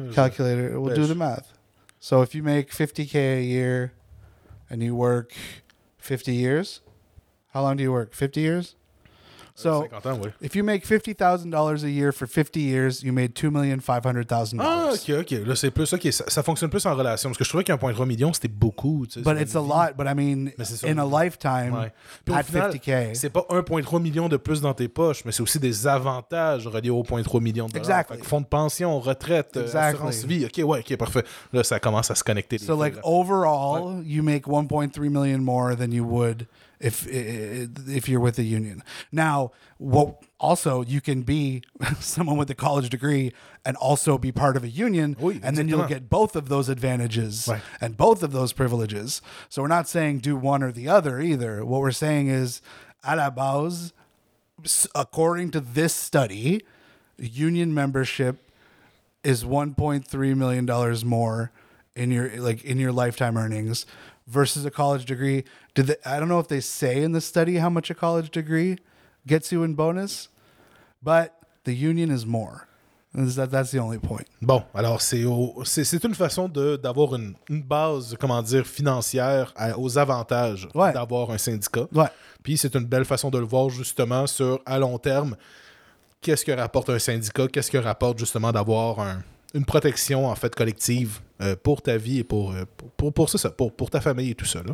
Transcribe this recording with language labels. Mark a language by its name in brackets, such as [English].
[English] Calculator, we'll do the math. So if you make 50K a year and you work 50 years, how long do you work? 50 years? [French] So 50 ans, oui. [English] If you make $50,000 a year for 50 years, you made $2,500,000. [French] Ah, OK. Là, c'est plus, OK. Ça fonctionne plus en relation. Parce que je trouvais qu'un point 3 million, c'était beaucoup. Tu sais, [English] but it's a lot. But I mean, in a lifetime, [French] ouais. [English] At final, 50K. [French] C'est pas 1,3 million de plus dans tes poches, mais c'est aussi des avantages reliés au point 3 million de dollars. [English] Exactly. [French] Fait que fonds de pension, retraite, assurance vie. OK, ouais, OK, parfait. Là, ça commence à se connecter. [English] So, like, [French] là. [English] Overall, ouais. You make 1,3 million more than you would... If you're with a union. Now, also, you can be someone with a college degree and also be part of a union, [French] oui, [English] and then you'll get both of those advantages right. And both of those privileges. So we're not saying do one or the other either. What we're saying is, [French] à la base, [English] according to this study, union membership is $1.3 million more in your lifetime earnings versus a college degree. I don't know if they say in the study how much a college degree gets you in bonus, but the union is more. That's the only point. [French] Bon, alors c'est une façon d'avoir une base, comment dire, financière aux avantages d'avoir un syndicat. Ouais. Puis c'est une belle façon de le voir justement sur à long terme. Qu'est-ce que rapporte un syndicat? Qu'est-ce que rapporte justement d'avoir une protection en fait collective pour ta vie et pour ça, pour ta famille et tout ça. Là.